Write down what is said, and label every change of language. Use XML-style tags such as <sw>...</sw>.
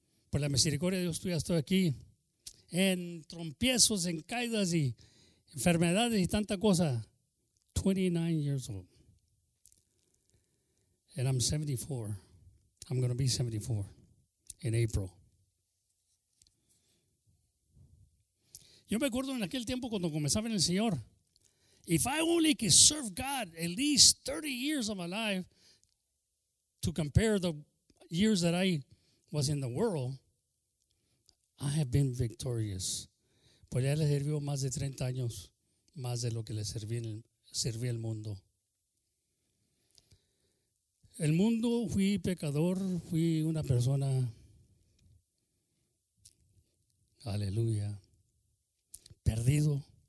<es>Por la misericordia de Dios, ya estoy aquí. En trompiezos, en caídas y enfermedades y tanta cosa.</es> <en>29 years old. And I'm 74. I'm going to be 74 in April.</en> <es>Yo me acuerdo en aquel tiempo cuando comenzaba en el Señor.</es> <en>If I only could serve God at least 30 years of my life to compare the years that I was in the world, I have been victorious.</en> <es>Pues ya le sirvió más de 30 años, más de lo que le serví al mundo. El mundo, fui pecador, fui una persona. Aleluya. Perdido.</es>